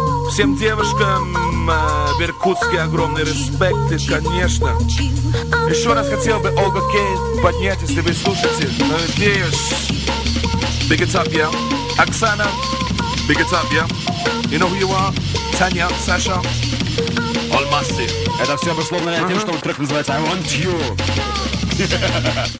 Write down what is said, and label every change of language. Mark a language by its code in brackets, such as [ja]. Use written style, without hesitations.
[ru] Всем девушкам в Иркутске огромный респект, и, конечно, еще раз хотел бы Ольга Кейт поднять, если вы слушаете. Надеюсь. [en] Big it up, yeah. Оксана, big it up, yeah. You know who you are? Таня, Саша. [ru] Almasy. Это все обусловлено тем, что трек называется I Want You.